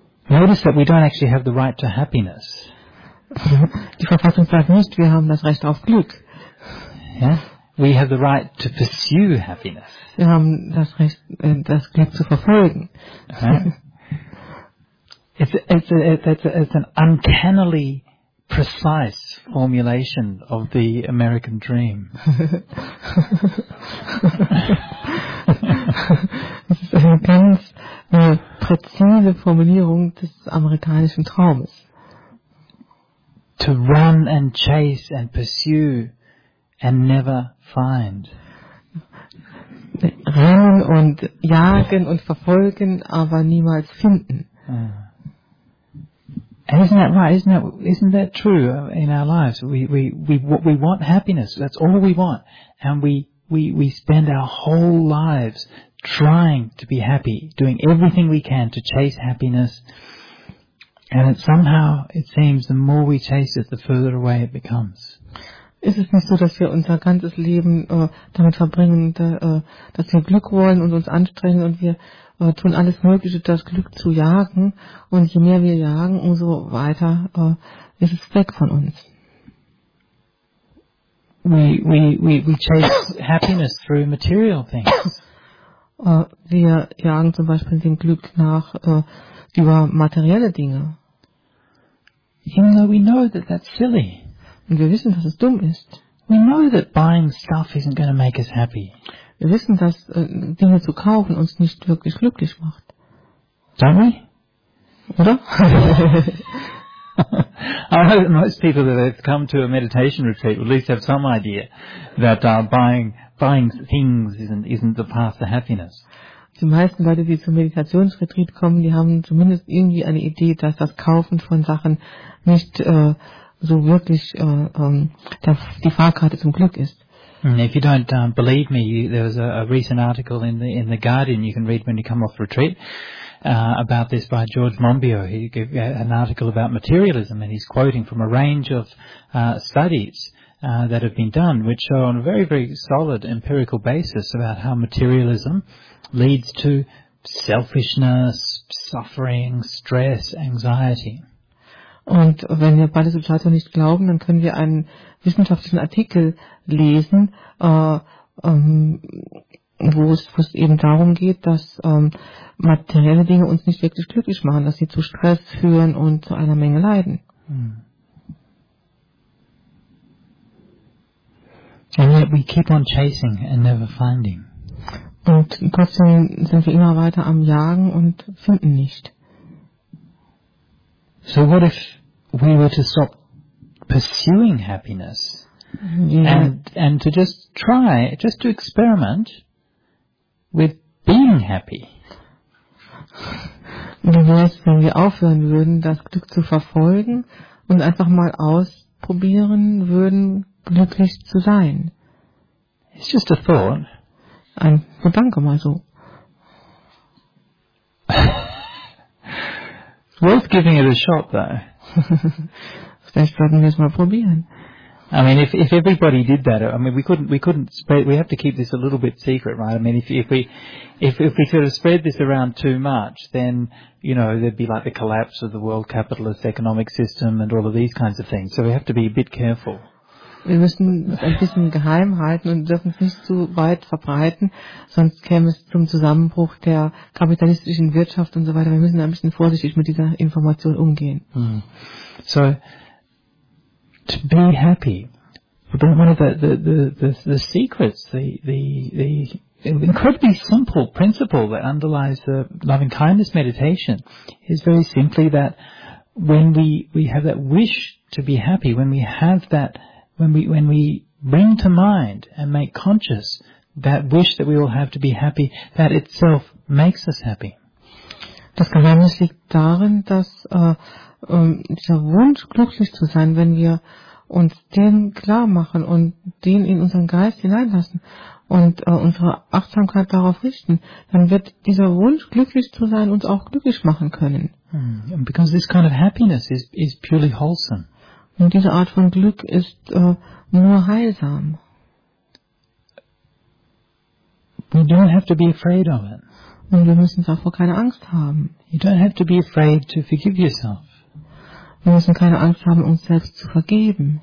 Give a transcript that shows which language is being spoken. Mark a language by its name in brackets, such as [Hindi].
[English] Notice that we don't actually have the right to happiness. [German] Die Verfassung sagt nicht, wir haben das Recht auf Glück. [English] Yeah? We have the right to pursue happiness. [German] Wir haben das Recht, das Glück zu verfolgen. Uh-huh. [English] It's an uncannily precise formulation of the American dream. [German] Das ist eine ganz präzise Formulierung des amerikanischen Traumes. [English] To run and chase and pursue and never find. [German] Rennen und jagen und verfolgen, aber niemals finden. [English] And isn't that right? Isn't that true in our lives? We want happiness. That's all we want. And we spend our whole lives trying to be happy, doing everything we can to chase happiness. And somehow it seems the more we chase it, the further away it becomes. [German] Ist es nicht so, dass wir unser ganzes Leben damit verbringen, dass wir Glück wollen und uns anstrengen und wir tun alles Mögliche, das Glück zu jagen, und je mehr wir jagen, umso weiter ist es weg von uns. [English] We chase happiness through material things. [German] Wir jagen zum Beispiel dem Glück nach über materielle Dinge. [English] Even though we know that that's silly. [German] Und wir wissen, dass es dumm ist. [English] We know that buying stuff isn't going to make us happy. [German] Wir wissen, dass Dinge zu kaufen uns nicht wirklich glücklich macht. [English] Don't we? [German] Oder? [English] I know that most people that have come to a meditation retreat will at least have some idea that buying things isn't the path to happiness. [German] Die meisten Leute, die zum Meditationsretreat kommen, die haben zumindest irgendwie eine Idee, dass das Kaufen von Sachen nicht so wirklich die Fahrkarte zum Glück ist. [English] If you don't believe me, there was a recent article in the Guardian you can read when you come off retreat about this by George Monbiot. He gave an article about materialism, and he's quoting from a range of studies that have been done, which show on a very, very solid empirical basis about how materialism leads to selfishness, suffering, stress, anxiety. [German] Und wenn wir beide Substanzen nicht glauben, dann können wir einen wissenschaftlichen Artikel lesen, wo es eben darum geht, dass materielle Dinge uns nicht wirklich glücklich machen, dass sie zu Stress führen und zu einer Menge Leiden. [English] And yet we keep on chasing and never finding. [German] Und trotzdem sind wir immer weiter am Jagen und finden nicht. [English] So what if we were to stop pursuing happiness, yeah, and to just try, just to experiment with being happy. [German] Wie wäre es, wenn wir aufhören würden, das Glück zu verfolgen und einfach mal ausprobieren würden, glücklich zu sein? [English] It's just a thought. [German] Ein Gedanke mal so. [English] It's worth giving it a shot, though. [German] Vielleicht sollten wir es mal probieren. [English] I mean, if everybody did that, I mean, we couldn't spread. We have to keep this a little bit secret, right? I mean, if we sort of spread this around too much, then you know there'd be like the collapse of the world capitalist economic system and all of these kinds of things. So we have to be a bit careful. [German] Wir müssen es ein bisschen geheim halten und dürfen es nicht zu weit verbreiten, sonst käme es zum Zusammenbruch der kapitalistischen Wirtschaft und so weiter. Wir müssen ein bisschen vorsichtig mit dieser Information umgehen. [English] So, to be happy, one of the secrets, the incredibly simple principle that underlies the loving kindness meditation is very simply that when we have that wish to be happy, when we have that, When we bring to mind and make conscious that wish that we all have to be happy, that itself makes us happy. [German] Das Geheimnis liegt darin, dass dieser Wunsch, glücklich zu sein, wenn wir uns den klar machen und den in unseren Geist hineinlassen und unsere Achtsamkeit darauf richten, dann wird dieser Wunsch, glücklich zu sein, uns auch glücklich machen können. [English] Because this kind of happiness is purely wholesome. [German] Und diese Art von Glück ist nur heilsam. [English] We don't have to be afraid of it. [German] Und wir müssen davor keine Angst haben. [English] You don't have to be afraid to forgive yourself. [German] Wir müssen keine Angst haben, uns selbst zu vergeben.